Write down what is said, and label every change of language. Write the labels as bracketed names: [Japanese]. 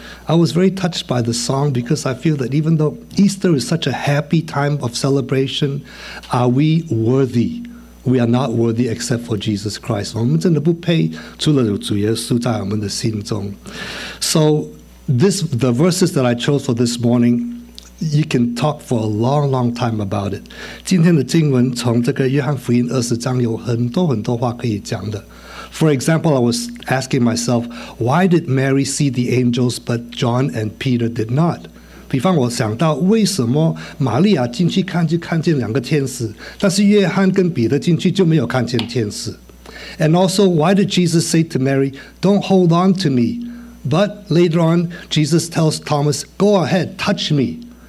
[English] I was very touched by the song because I feel that even though Easter is such a happy time of celebration, are we worthy? We are not worthy except for Jesus Christ. [Chinese] 我们真的不配，除了有主耶稣在我们的心中。 [English] So, the verses that I chose for this morning, you can talk for a long, long time about it. [Chinese] 今天的经文从这个约翰福音20章有很多很多话可以讲的。 [English] For example, I was asking myself, why did Mary see the angels but John and Peter did not? [Chinese] 比方我想到为什么玛利亚进去看就看见两个天使，但是约翰跟彼得进去就没有看见天使。 [English] And also, why did Jesus say to Mary, don't hold on to me? But later on, Jesus tells Thomas, go ahead, touch me.